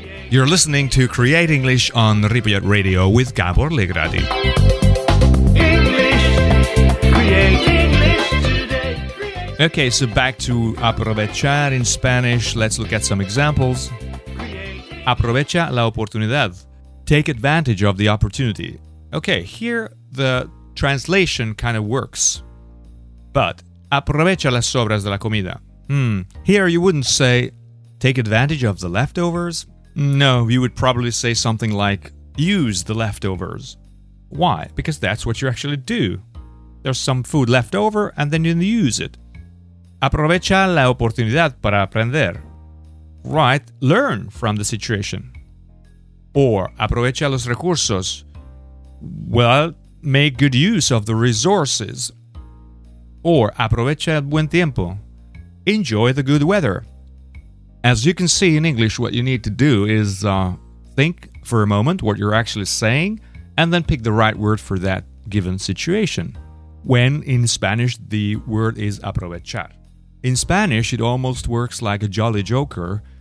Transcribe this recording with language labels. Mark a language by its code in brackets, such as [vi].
[en] You're listening to Create English on Ripollet Radio with Gabor Legrady. English, create English today. Create. Okay, so back to aprovechar in Spanish. Let's look at some examples. [es] Aprovecha la oportunidad. [en] Take advantage of the opportunity. Okay, here the translation kind of works. [es] But aprovecha las sobras de la comida. [en] Here you wouldn't say take advantage of the leftovers. No, you would probably say something like use the leftovers. Why? Because that's what you actually do. There's some food left over and then you use it. [es] Aprovecha la oportunidad para aprender. [en] Right, learn from the situation. [es] Or aprovecha los recursos. [en] Well, make good use of the resources. [es] Or aprovecha el buen tiempo. [en] Enjoy the good weather. As you can see in English, what you need to do is think for a moment what you're actually saying and then pick the right word for that given situation. When in Spanish, the word is aprovechar. In Spanish, it almost works like a jolly joker.